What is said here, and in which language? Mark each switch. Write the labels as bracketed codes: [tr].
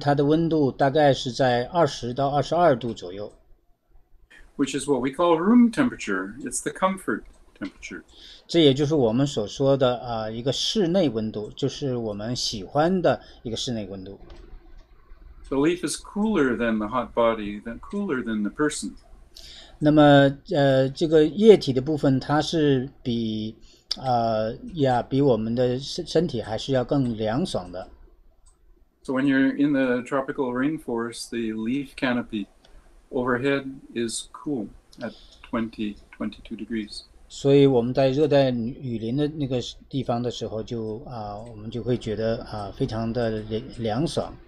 [zh] 那么植物的叶片它的温度大概是在20到22度左右。 [en] Which is what we call room temperature. It's the comfort temperature. [zh] 这也就是我们所说的一个室内温度，就是我们喜欢的一个室内温度。 [en] The leaf is cooler than the hot body, than cooler than the person. [zh] 那么这个液体的部分它是比我们的身体还是要更凉爽的。 [en] So when you're in the tropical rainforest, the leaf canopy overhead is cool at 22 degrees.